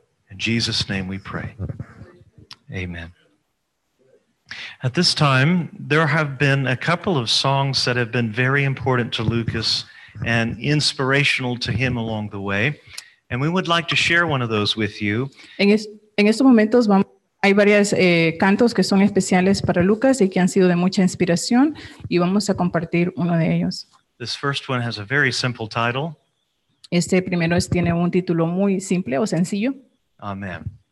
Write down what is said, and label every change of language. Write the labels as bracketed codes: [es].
[en] In Jesus' name we pray. Amen. At this time, there have been a couple of songs that have been very important to Lucas and inspirational to him along the way. And we would like to share one of those with you. [es] En estos momentos hay varias cantos que son especiales para Lucas y que han sido de mucha inspiración y vamos a compartir uno de ellos. [en] This first one has a very simple title. [es] Este primero tiene un título muy simple o sencillo. Amén.